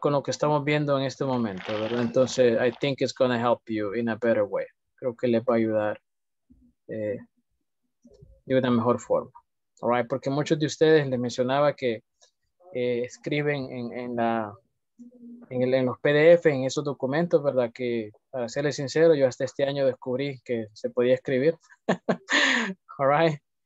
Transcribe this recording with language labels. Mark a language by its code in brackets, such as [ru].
[es] Con lo que estamos viendo en este momento, ¿verdad? [en] Entonces, I think it's going to help you in a better way. [es] Creo que le va a ayudar de una mejor forma. [en] All right, [es] porque muchos de ustedes les mencionaba que escriben en los PDF, en esos documentos, ¿verdad? Que para serles sincero, yo hasta este año descubrí que se podía escribir. [en] All right.